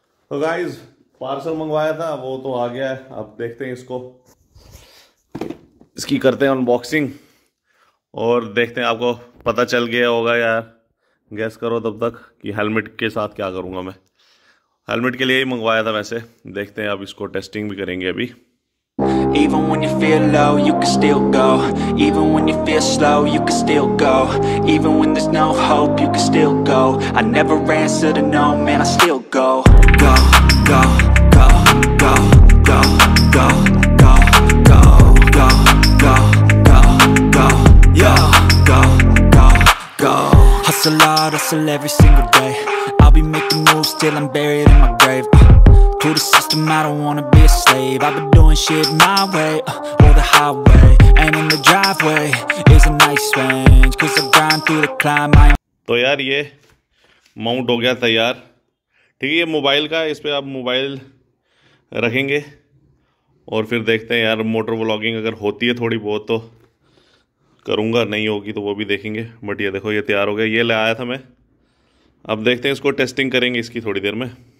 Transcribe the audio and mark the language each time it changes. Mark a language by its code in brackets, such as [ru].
[hi] तो guys, parcel मंगवाया था वो तो आ गया है, अब देखते हैं इसको, इसकी करते हैं अनबॉक्सिंग और देखते हैं। आपको पता चल गया होगा यार, गैस करो तब तक कि हेलमेट के साथ क्या करूँगा मैं। हेलमेट के लिए ही मंगवाया था वैसे, देखते हैं अब इसको टेस्टिंग भी करेंगे अभी। [en] Even when you feel low, you can still go. Even when you feel slow, you can still go. Even when there's no hope, you can still go. I never answer to no, man, I still go. Go, go, go, go, go, go, go, go, go, go, go, go, yo, go, go, go. Hustle hard, hustle every single day. I'll be making moves till I'm buried in my grave. To the system, I don't wanna be a slave. I've been doing shit my way, or the highway. And in the driveway is a nice range. Cause I grind through the climb. [hi] तो यार ये mount हो गया तैयार, ठीक है। ये mobile का, इस पर आप मोबाइल रखेंगे और फिर देखते हैं यार, मोटर व्लॉगिंग अगर होती है थोड़ी बहुत तो करूँगा, नहीं होगी तो वो भी देखेंगे। बट ये देखो ये तैयार हो गया, ये ले आया था मैं, अब देखते हैं इसको टेस्टिंग करेंगे इसकी थोड़ी देर में।